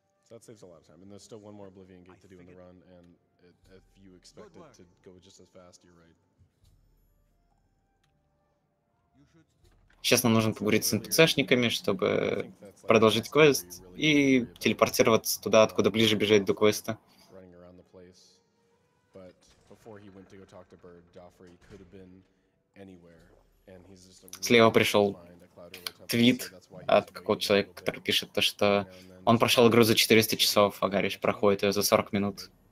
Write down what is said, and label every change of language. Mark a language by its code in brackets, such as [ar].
[en] That saves a lot of time, and there's still one more Oblivion gate to do in the run, and if you expect it to go just as fast, you're right. [ru] Сейчас нам нужно поговорить с NPC-шниками, чтобы продолжить квест и телепортироваться туда, откуда ближе бежать до квеста. [en] Running around the place, but before he went to go talk to Bird, Joffrey could have been anywhere, and he's just a really... [ru] Слева пришел твит от какого-то человека, который пишет то, что он прошел игру за 400 часов, а Гарриш проходит ее за 40 минут.